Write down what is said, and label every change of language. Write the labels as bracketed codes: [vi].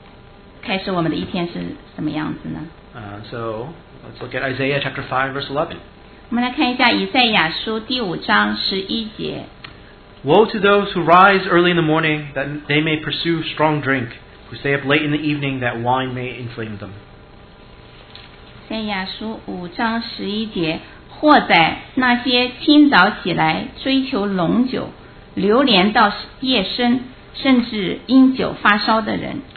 [zh] 诗篇也跟我们讲到一些例子，就是我们如果错误的方式开始我们的一天是什么样子呢？ [en] So, let's look at Isaiah chapter 5, verse 11. [zh] 我们来看一下以赛亚书第5章11节。 [en] Woe to those who rise early in the morning, that they may pursue strong drink, who stay up late in the evening, that wine may inflame them. [zh] 赛亚书五章十一节，或在那些清早起来追求浓酒，流连到夜深，甚至因酒发烧的人。